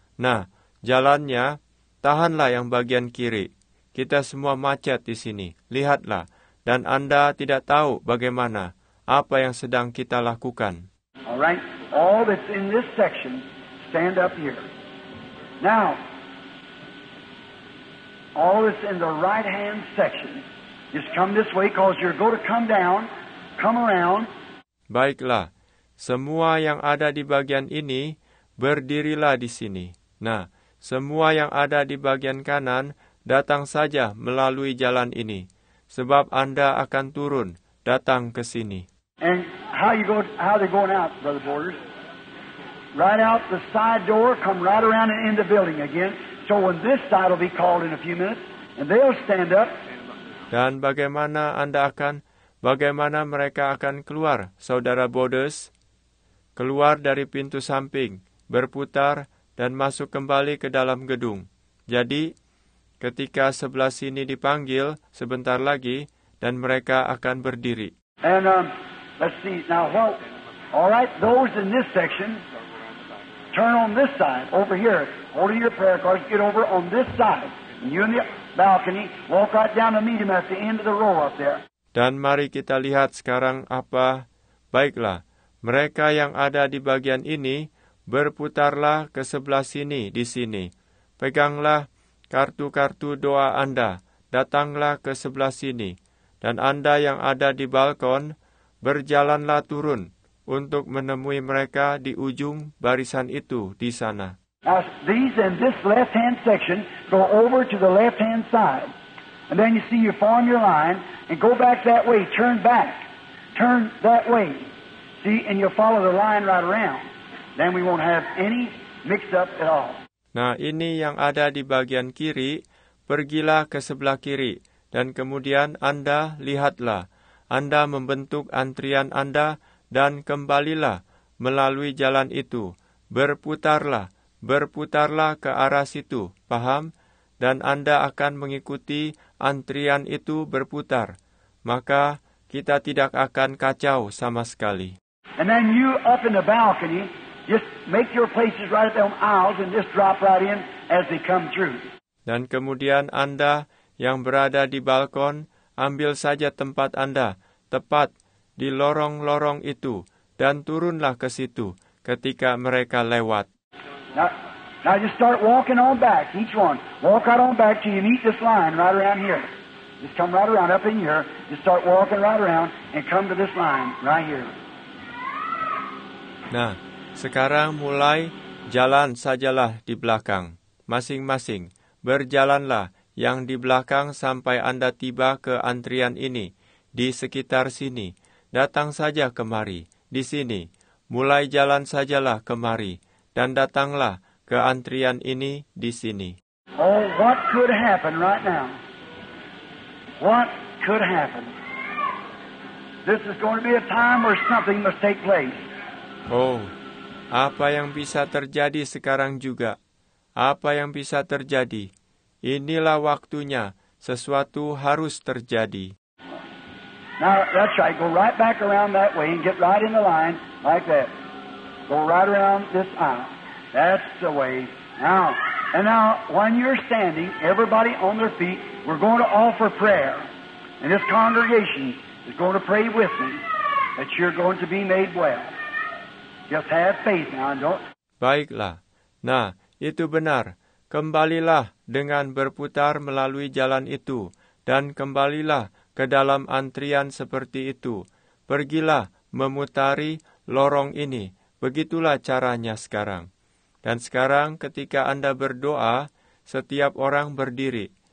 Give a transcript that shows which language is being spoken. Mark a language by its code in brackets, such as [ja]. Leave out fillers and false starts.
[id] Nah, jalannya, tahanlah yang bagian kiri. Kita semua macet di sini, lihatlah. Dan Anda tidak tahu bagaimana, apa yang sedang kita lakukan. [en] All right, all that's in this section, stand up here. Now, all that's in the right-hand section, just come this way, cause you're going to come down, come around. [id] Baiklah, semua yang ada di bagian ini, berdirilah di sini. Nah, semua yang ada di bagian kanan, datang saja melalui jalan ini. Sebab Anda akan turun, datang ke sini. [en] And how they going out, Brother Borders? Right out the side door, come right around and in the building again. So when this side will be called in a few minutes, and they'll stand up. [id] Dan bagaimana Anda akan, bagaimana mereka akan keluar, Saudara Borders? Keluar dari pintu samping, berputar, dan masuk kembali ke dalam gedung. Jadi, ketika sebelah sini dipanggil, sebentar lagi, dan mereka akan berdiri. [en] And let's see, now, well, all right, those in this section, turn on this side, over here, hold your prayer cards, get over on this side, and you in the balcony, walk right down to meet him at the end of the row up there. [id] Dan mari kita lihat sekarang apa, baiklah, mereka yang ada di bagian ini, berputarlah ke sebelah sini, di sini. Peganglah kartu-kartu doa Anda, datanglah ke sebelah sini. Dan Anda yang ada di balkon, berjalanlah turun untuk menemui mereka di ujung barisan itu di sana. [en] Now, these in this left-hand section go over to the left-hand side. And then you see you form your line and go back that way, turn back, turn that way. See, and you follow the line right around. Then we won't have any mix up at all. [id] Nah, ini yang ada di bagian kiri, pergilah ke sebelah kiri. Dan kemudian Anda lihatlah, Anda membentuk antrian Anda dan kembalilah melalui jalan itu. Berputarlah, berputarlah ke arah situ, paham? Dan Anda akan mengikuti antrian itu berputar. Maka kita tidak akan kacau sama sekali. [en] And then you up in the balcony, just make your places right at the aisles and just drop right in as they come through. [id] Dan kemudian Anda yang berada di balkon, ambil saja tempat Anda, tepat di lorong-lorong itu, dan turunlah ke situ ketika mereka lewat. [en] Now just start walking on back, each one. Walk right on back till you meet this line right around here. Just come right around, up in here. Just start walking right around and come to this line right here. [id] Nah, sekarang mulai jalan sajalah di belakang, masing-masing. Berjalanlah yang di belakang sampai Anda tiba ke antrian ini, di sekitar sini. Datang saja kemari, di sini. Mulai jalan sajalah kemari, dan datanglah ke antrian ini di sini. [en] Oh, what could happen right now? What could happen? This is going to be a time where something must take place. [id] Oh, apa yang bisa terjadi sekarang juga? Apa yang bisa terjadi? Inilah waktunya. Sesuatu harus terjadi. [en] Now, that's right. Go right back around that way and get right in the line like that. Go right around this aisle. That's the way. Now, and now, when you're standing, everybody on their feet, we're going to offer prayer. And this congregation is going to pray with me that you're going to be made well. Just have faith now, don't. [id] Baiklah. Nah, itu benar. Kembalilah dengan berputar melalui jalan itu. Dan kembalilah ke dalam antrian seperti itu. Pergilah memutari lorong ini. Begitulah caranya sekarang. Dan sekarang ketika Anda berdoa, setiap orang berdiri.